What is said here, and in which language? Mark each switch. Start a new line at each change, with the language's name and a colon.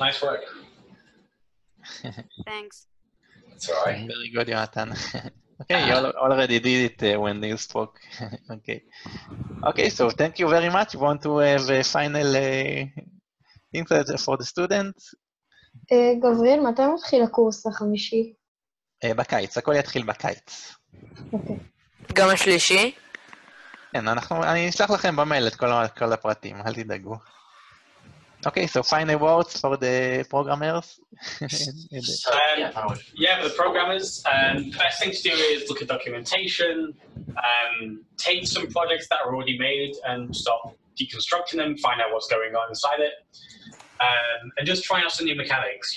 English: Nice work. Thanks. That's all right. Very good, Jonathan. Okay, you already did it when you spoke. Okay, so thank you very much. Want to have a final input for the students?
Hebrew: Gabriel, מתי מתחיל הקורס החמישי? בקיץ, הכל יתחיל בקיץ. גם השלישי? כן, אני אשלח לכם במייל את כל הפרטים, אל תדאגו.
English: Okay, so final words for the programmers. for the programmers, first thing to do is look at documentation, take some projects that are already made and stop deconstructing them, find out what's going on inside it, and just try out some new mechanics.